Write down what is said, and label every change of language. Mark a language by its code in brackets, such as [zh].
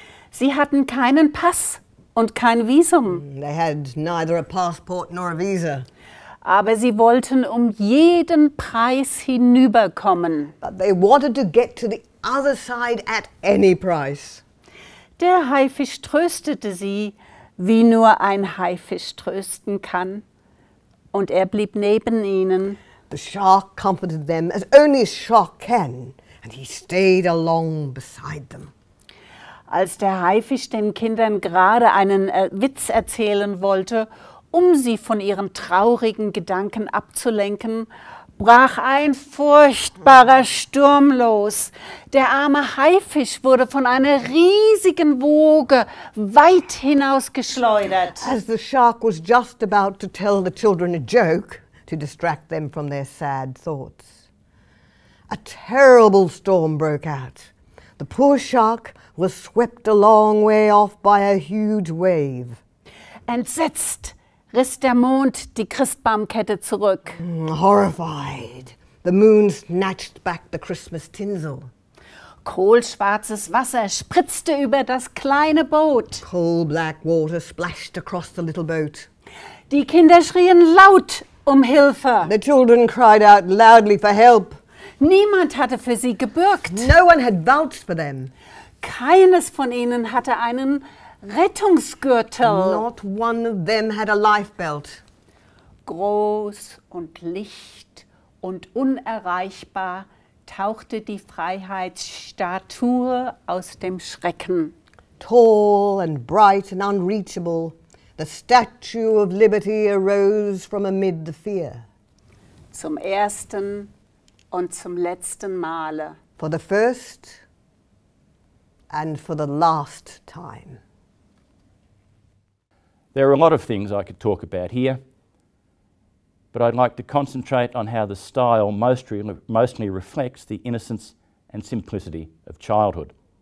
[de] Sie hatten keinen Pass und kein Visum. [en] They had neither a passport nor a visa. [de] Aber sie wollten um jeden Preis hinüberkommen. [en] But they wanted to get to the other side at any price. [de] Der Haifisch tröstete sie, wie nur ein Haifisch trösten kann. Und er blieb neben ihnen. [en] The shark comforted them as only a shark can, and he stayed along beside them. [de] Als der Haifisch den Kindern gerade einen Witz erzählen wollte, um sie von ihren traurigen Gedanken abzulenken, brach ein furchtbarer Sturm los. Der arme Haifisch wurde von einer riesigen Woge weit hinausgeschleudert. [en] As the shark was just about to tell the children a joke to distract them from their sad thoughts, a terrible storm broke out. The poor shark was swept a long way off by a huge wave. [de] Entsetzt riss der Mond die Christbaumkette zurück. [en] Horrified, the moon snatched back the Christmas tinsel. [de] Kohlschwarzes Wasser spritzte über das kleine Boot. [en] Coal black water splashed across the little boat. [de] Die Kinder schrien laut um Hilfe. [en] The children cried out loudly for help. [de] Niemand hatte für sie gebürgt. [en] No one had vouched for them. [de] Keines von ihnen hatte einen Rettungsgürtel. [en] Not one of them had a life belt. [de] Groß und licht und unerreichbar tauchte die Freiheitsstatue aus dem Schrecken. [en] Tall and bright and unreachable, the statue of liberty arose from amid the fear. [de] Zum ersten und zum letzten Male. [en] For the first and for the last time. There are a lot of things I could talk about here, but I'd like to concentrate on how the style mostly reflects the innocence and simplicity of childhood.